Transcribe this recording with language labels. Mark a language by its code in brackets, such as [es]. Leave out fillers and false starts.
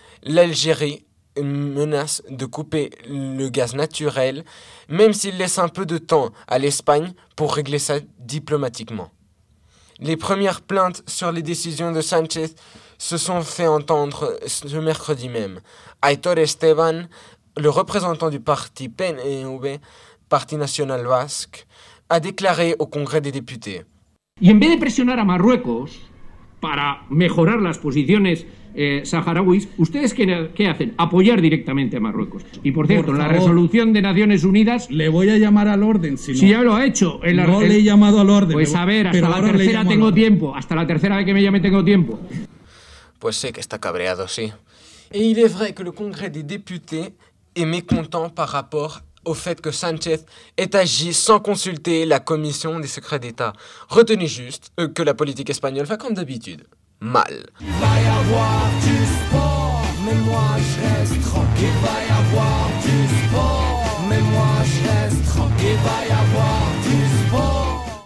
[fr] L'Algérie menace de couper le gaz naturel, même s'il laisse un peu de temps à l'Espagne pour régler ça diplomatiquement. Les premières plaintes sur les décisions de Sánchez se sont fait entendre ce mercredi même. Aitor Esteban, le représentant du parti PNV, Parti National Basque, a déclaré au Congrès des députés. [es] Y en vez de presionar a Marruecos para mejorar las posiciones saharauis, ustedes qué hacen? Apoyar directamente a Marruecos. Y por cierto, la resolución de Naciones Unidas. Le voy a llamar al orden. Si ya lo ha hecho. Le he llamado al orden. Pues a ver, hasta la tercera tengo tiempo. Hasta la tercera vez que me llame tengo tiempo. Pues sé que está cabreado, sí. [fr] Et il est vrai que le Congrès des députés est mécontent par rapport au fait que Sánchez ait agi sans consulter la commission des secrets d'État. Retenez juste que la politique espagnole va comme d'habitude. Mal. Il va y avoir du sport, mais moi je reste tranquille. Il va y avoir du sport, mais moi je reste tranquille. Il va y avoir du sport.